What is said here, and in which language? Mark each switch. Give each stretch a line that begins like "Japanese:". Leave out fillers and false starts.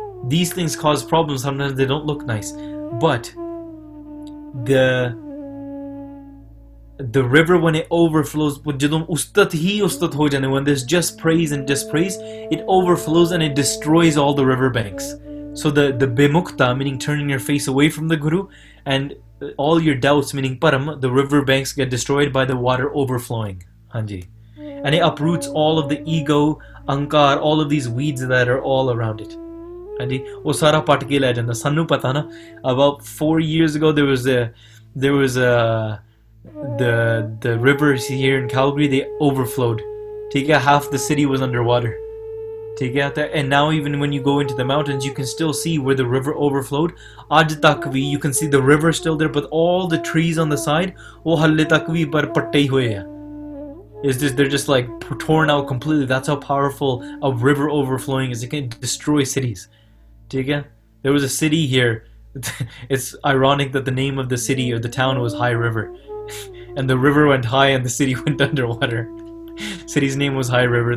English: These things cause problems, sometimes they don't look nice. But the river when it overflows, when there's just praise and just praise, it overflows and it destroys all the riverbanks. So the bimukta, meaning turning your face away from the guru, and all your doubts, meaning param, the riverbanks get destroyed by the water overflowing. Hanji. And it uproots all of the ego, ankar, all of these weeds that are all around it.
Punjabi: ਉਹ ਸਾਰਾ ਪੱਟ ਕੇ ਲੈ ਜਾਂਦਾ ਸਾਨੂੰ ਪਤਾ ਨਾ
English: about 4 years ago the rivers here in Calgary they overflowed ਠੀਕ ਹੈ half the city was under water ਠੀਕ ਹੈ ਤਾਂ and now even when you go into the mountains you can still see where the river overflowed
Punjabi: ਅੱਜ ਤੱਕ ਵੀ
English: you can see the river still there but all the trees on the side
Punjabi: ਉਹ ਹੱਲੇ ਤੱਕ ਵੀ ਪਰ ਪੱਟੇ ਹੀ ਹੋਏ ਆ
English: is this, they're just like torn out completely. That's how powerful a river overflowing is. It can destroy cities. Do you get? There was a city here. It's ironic that the name of the city or the town was High River. And the river went high and the city went underwater. City's name was High River.